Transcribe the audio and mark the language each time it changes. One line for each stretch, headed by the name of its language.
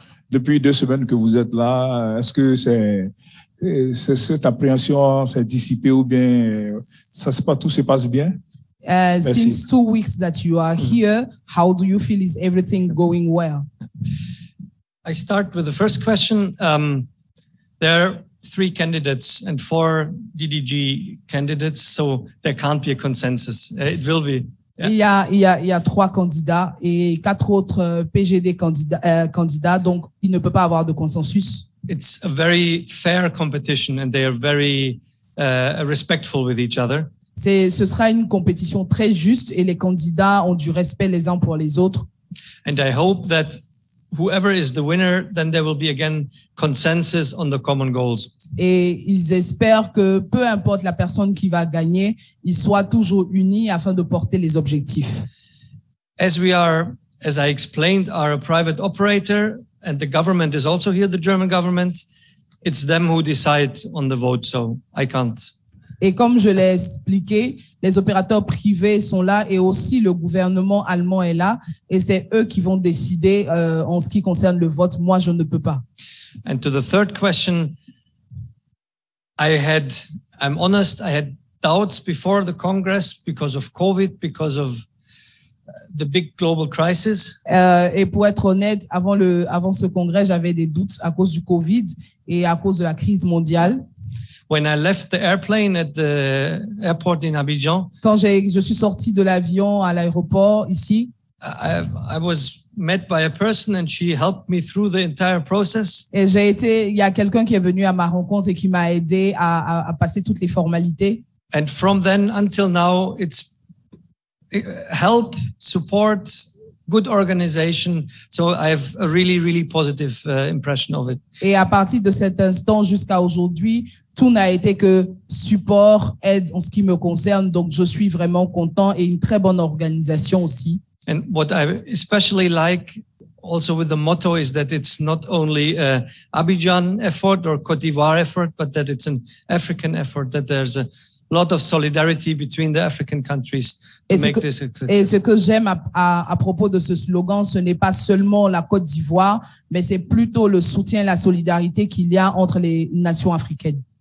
French: Depuis deux semaines que vous êtes là, est-ce que cette appréhension s'est dissipée ou bien tout se passe bien?
English: Since 2 weeks that you are here, how do you feel? Is everything going well? I start with the first question. There are three candidates and four DDG candidates, so there can't be a consensus. It will be. Yeah.
French: Il y a trois candidats et quatre autres PGD candidats, donc il ne peut pas avoir de consensus.
English: It's a very fair competition and they are very respectful with each other.
French: Ce sera une compétition très juste et les candidats ont du respect les uns pour les autres.
English: And I hope that whoever is the winner, then there will be again consensus on the common goals.
French: Et ils espèrent que peu importe la personne qui va gagner, ils soient toujours unis afin de porter les objectifs.
English: As we are, as I explained, are a private operator and the government is also here, the German government, it's them who decide on the vote, so I can't.
French: Et comme je l'ai expliqué, les opérateurs privés sont là et aussi le gouvernement allemand est là et c'est eux qui vont décider en ce qui concerne le vote. Moi, je ne peux pas.
English: And to the third question, I'm honest, I had doubts before the Congress because of COVID, because of the big global crisis.
French: Et pour être honnête, avant ce Congrès, j'avais des doutes à cause du COVID et à cause de la crise mondiale.
English: When I left the airplane at the airport in Abidjan,
French: quand je suis sorti de l'avion à l'aéroport ici,
English: I was met by a person and she helped me through the entire process.
French: Et il y a quelqu'un qui est venu à ma rencontre et qui m'a aidé à passer toutes les formalités.
English: And from then until now, it's help, support, good organization. So I have a really, really positive impression of it.
French: Et à partir de cet instant jusqu'à aujourd'hui, tout n'a été que support, aide en ce qui me concerne. Donc, je suis vraiment content et une très bonne organisation aussi.
English: And what I especially like also with the motto is that it's not only an Abidjan effort or Côte d'Ivoire effort, but that it's an African effort, that there's a lot of solidarity between the African countries to make this success.
French: Et ce que j'aime à propos de ce slogan, ce n'est pas seulement la Côte d'Ivoire, mais c'est plutôt le soutien, la solidarité qu'il y a entre les nations africaines.